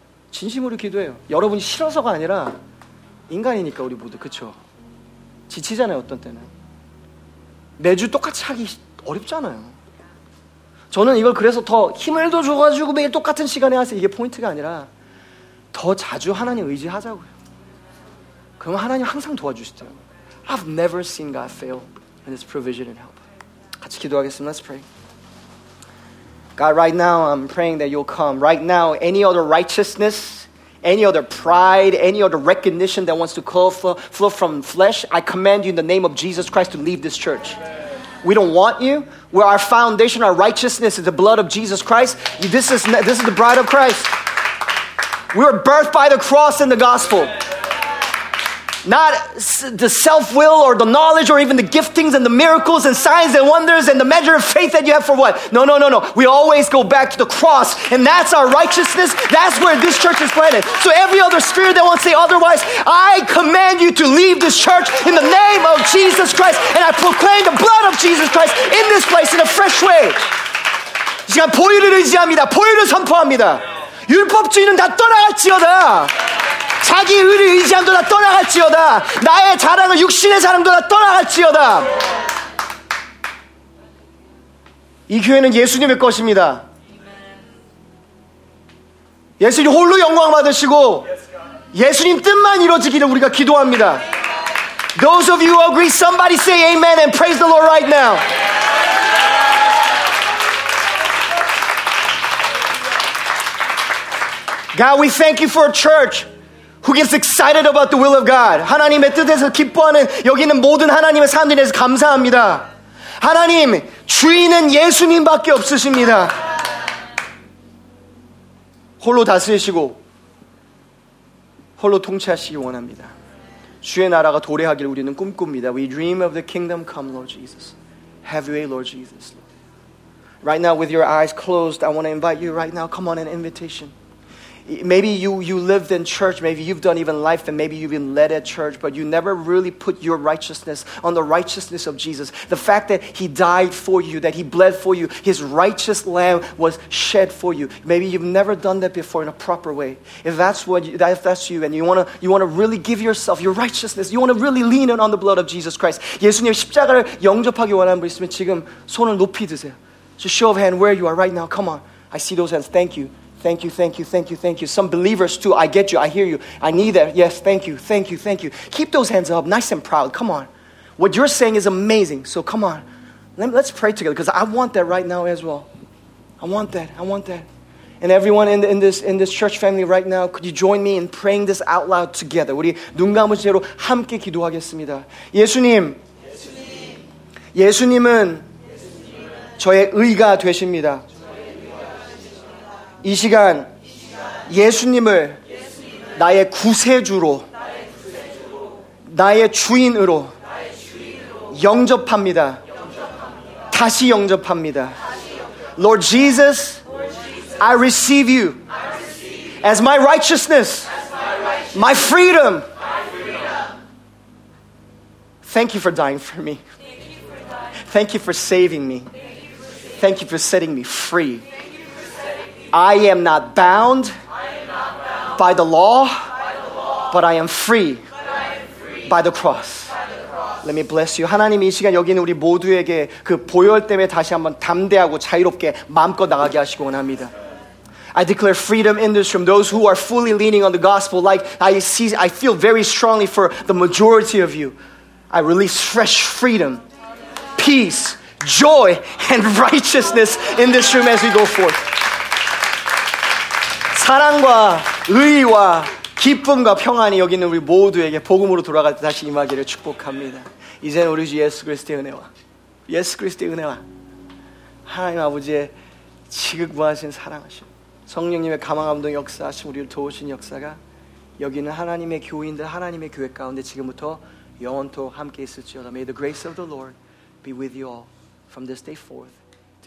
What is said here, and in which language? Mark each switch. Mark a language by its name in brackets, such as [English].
[Korean] 진심으로 기도해요. 여러분이 싫어서가 아니라 인간이니까 우리 모두, 그렇죠? 지치잖아요, 어떤 때는. 매주 똑같이 하기 어렵잖아요. 저는 이걸 그래서 더 힘을 더 줘가지고 매일 똑같은 시간에 하세요. 이게 포인트가 아니라 더 자주 하나님 의지하자고요. 그러면 하나님 항상 도와주시대요. [English] I've never seen God fail in His provision and help. [Korean] 같이 기도하겠습니다. [English] Let's pray. God, right now I'm praying that you'll come. Right now, any other righteousness, any other pride, any other recognition that wants to flow from flesh, I command you in the name of Jesus Christ to leave this church. We don't want you. We're our foundation, our righteousness is the blood of Jesus Christ. This is the bride of Christ. We were birthed by the cross and the gospel. Not the self-will or the knowledge or even the giftings and the miracles and signs and wonders and the measure of faith that you have for what? No. We always go back to the cross, and that's our righteousness. That's where this church is planted. So every other spirit that wants to say otherwise, I command you to leave this church in the name of Jesus Christ, and I proclaim the blood of Jesus Christ in this place in a fresh way. [Korean] 지금 보혈을 의지합니다. 보혈을 선포합니다. 율법주의는 다 떠나갈지어다. 자기 의를 의지함도 다 떠나갈지어다. 나의 자랑을 육신의 자랑도 다 떠나갈지어다. 이 교회는 예수님의 것입니다. 예수님 홀로 영광 받으시고 예수님 뜻만 이루어지기를 우리가 기도합니다. [English] Those of you who agree, somebody say amen and praise the Lord right now. 하나님, we thank you for a church who gets excited about the will of God. [Korean] 하나님의 뜻에서 기뻐하는 여기 있는 모든 하나님의 사람들에 대해서 감사합니다. 하나님, 주인은 예수님밖에 없으십니다. 홀로 다스리시고 홀로 통치하시기 원합니다. 주의 나라가 도래하길 우리는 꿈꿉니다. [English] We dream of the kingdom come, Lord Jesus. Have your way, Lord Jesus. Right now, with your eyes closed, I want to invite you right now, come on, an invitation. Maybe you lived in church, maybe you've done even life, and maybe you've been led at church, but you never really put your righteousness on the righteousness of Jesus. The fact that He died for you, that He bled for you, His righteous lamb was shed for you. Maybe you've never done that before in a proper way. If that's you, and you wanna really give yourself your righteousness, you wanna really lean in on the blood of Jesus Christ. [Korean] 예수님 십자가를 영접하기 원하는 분 있으면 지금 손을 높이 드세요. [English] Just show of hand where you are right now. Come on. I see those hands. Thank you. Thank you, thank you, thank you, thank you. Some believers too, I get you, I hear you. I need that. Yes, thank you, thank you, thank you. Keep those hands up, nice and proud. Come on. What you're saying is amazing. So come on. Let's pray together because I want that right now as well. I want that. And everyone in this church family right now, could you join me in praying this out loud together? [Korean] 우리 눈 감은 채로 함께 기도하겠습니다. 예수님. 예수님. 예수님은 저의 의가 되십니다. 이 시간 예수님을 나의 구세주로 나의 주인으로 영접합니다. 다시 영접합니다. [English] Lord Jesus, I receive you as my righteousness, my freedom. Thank you for dying for me. Thank you for saving me. Thank you for setting me free. I am not bound by the law, but I am free by the cross. Let me bless you. [Korean] 하나님, 이 시간 여기 있는 우리 모두에게 그 보혈 때문에 다시 한번 담대하고 자유롭게 마음껏 나가게 하시고 원합니다. [English] I declare freedom in this room. Those who are fully leaning on the gospel, like I feel very strongly for the majority of you. I release fresh freedom, peace, joy, and righteousness in this room as we go forth. [Korean] 사랑과 의와 기쁨과 평안이 여기 있는 우리 모두에게 복음으로 돌아갈 때 다시 임하기를 축복합니다. 이제는 우리 주 예수 그리스도의 은혜와 하나님 아버지의 지극무하신 사랑하심, 성령님의 감화감동 역사하심, 우리를 도우신 역사가 여기 있는 하나님의 교인들, 하나님의 교회 가운데 지금부터 영원토록 함께 있을지어다. [English] May the grace of the Lord be with you all from this day forth, this week, today, as you go forth and continue in your worship. It is in your name we pray.